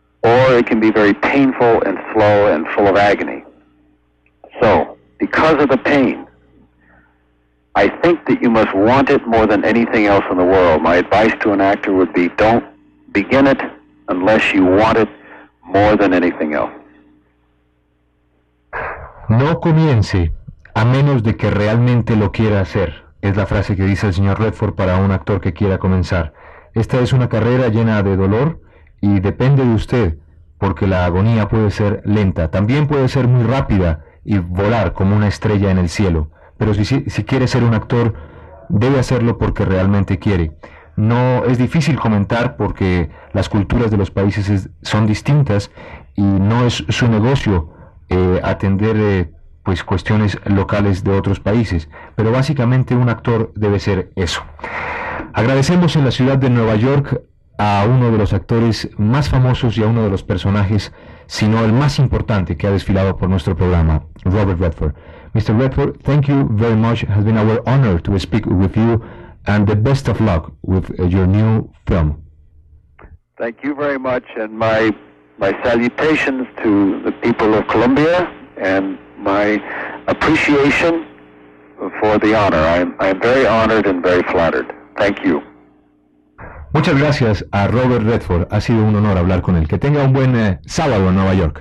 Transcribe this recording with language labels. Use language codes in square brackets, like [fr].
[en] Or it can be very painful and slow and full of agony. So, because of the pain, I think that you must want it more than anything else in the world. My advice to an actor would be, don't begin it unless you want it more than anything else. [es] No comience a menos de que realmente lo quiera hacer, es la frase que dice el señor Redford para un actor que quiera comenzar. Esta es una carrera llena de dolor y depende de usted, porque la agonía puede ser lenta, también puede ser muy rápida y volar como una estrella en el cielo. Pero si quiere ser un actor, debe hacerlo porque realmente quiere. No es difícil comentar porque las culturas de los países son distintas y no es su negocio atender pues cuestiones locales de otros países. Pero básicamente un actor debe ser eso. Agradecemos en la ciudad de Nueva York a uno de los actores más famosos y a uno de los personajes, si no el más importante, que ha desfilado por nuestro programa, Robert Redford. [en] Mr. Redford, thank you very much. It has been our honor to speak with you, and the best of luck with your new film. Thank you very much, and my salutations to the people of Colombia, and my appreciation for the honor. I am very honored and very flattered. Thank you. [es] Muchas gracias a Robert Redford. Ha sido un honor hablar con él. Que tenga un buen sábado en Nueva York.